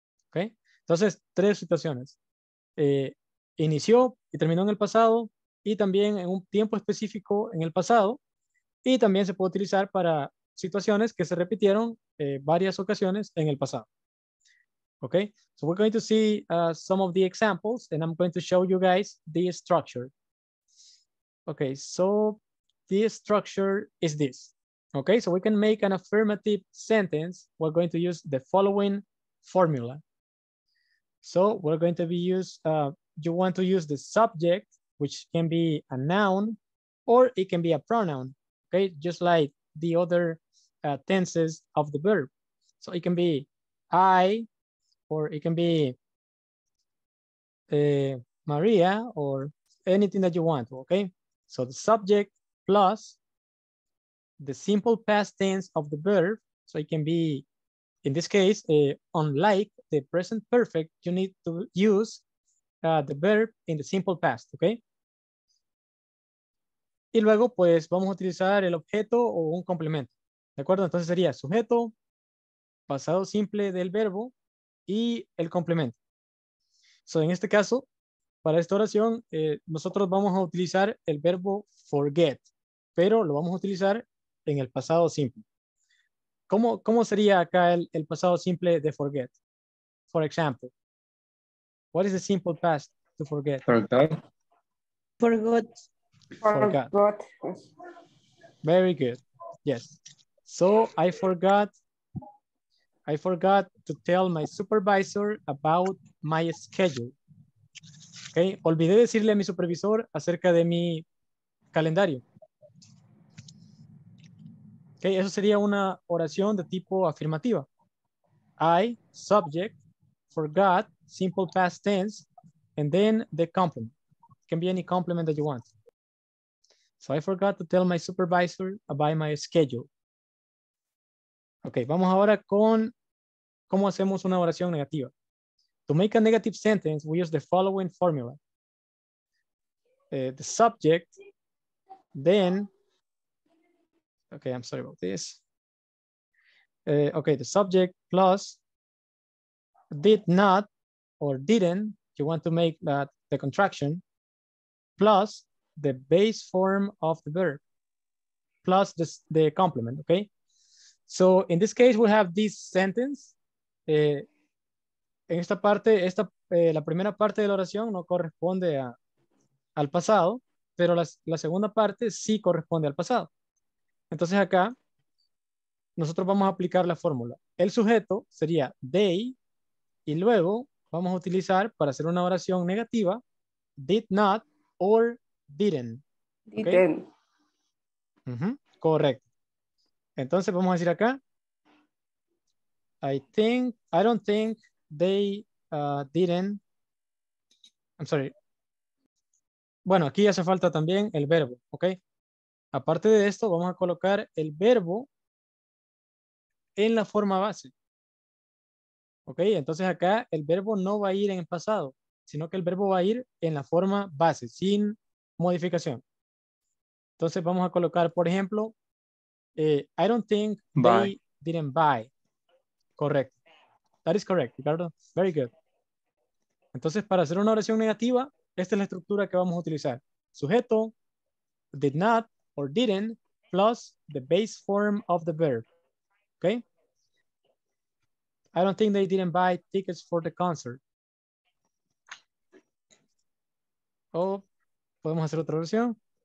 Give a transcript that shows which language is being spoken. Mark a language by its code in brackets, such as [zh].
[es] Okay? Entonces, tres situaciones. Inició y terminó en el pasado, y también en un tiempo específico en el pasado, y también se puede utilizar para situaciones que se repitieron varias ocasiones en el pasado. [en] Okay, so we're going to see some of the examples, and I'm going to show you guys the structure. Okay, so the structure is this. Okay, so we can make an affirmative sentence. We're going to use the following formula. So we're going to be used, you want to use the subject, which can be a noun or it can be a pronoun, okay? Just like the other tenses of the verb. So it can be I, or it can be Maria, or anything that you want, okay? So the subject plus the simple past tense of the verb. So it can be, in this case, unlike the present perfect, you need to use the verb in the simple past, okay? [es] Y luego, pues, vamos a utilizar el objeto o un complemento, ¿de acuerdo? Entonces sería sujeto, pasado simple del verbo y el complemento. So, en este caso, para esta oración, nosotros vamos a utilizar el verbo forget, pero lo vamos a utilizar en el pasado simple. ¿Cómo sería acá el pasado simple de forget? [en] For example, what is the simple past to forget? Forgot. Very good. Yes. So I forgot to tell my supervisor about my schedule. Okay. [es] Olvidé decirle a mi supervisor acerca de mi calendario. [en] Okay. [es] Eso sería una oración de tipo afirmativa. [en] I, subject, forgot, simple past tense, and then the complement. It can be any complement that you want. So I forgot to tell my supervisor about my schedule. [es] Okay, vamos ahora con cómo hacemos una oración negativa. [en] To make a negative sentence, we use the following formula. The subject, then, okay, I'm sorry about this. Okay, the subject plus did not or didn't, you want to make that the contraction, plus the base form of the verb, plus the complement, okay? So in this case, we have this sentence. [es] En esta parte, la primera parte de la oración no corresponde al pasado, pero la segunda parte sí corresponde al pasado. Entonces acá, nosotros vamos a aplicar la fórmula. El sujeto sería they, y luego vamos a utilizar para hacer una oración negativa, did not or didn't. Okay? Didn't. Uh-huh. Correcto. Entonces vamos a decir acá, [en] I don't think they didn't. [es] Bueno, aquí hace falta también el verbo, ¿ok? Aparte de esto, vamos a colocar el verbo en la forma base. ¿Ok? Entonces acá el verbo no va a ir en el pasado, sino que el verbo va a ir en la forma base, sin modificación. Entonces vamos a colocar, por ejemplo, [en] I don't think they didn't buy. Correcto. That is correct, Ricardo. Very good. [es] Entonces, para hacer una oración negativa, esta es la estructura que vamos a utilizar. [en] Sujeto, did not or didn't, plus the base form of the verb. Okay? I don't think they didn't buy tickets for the concert. [es] O podemos hacer otra oración.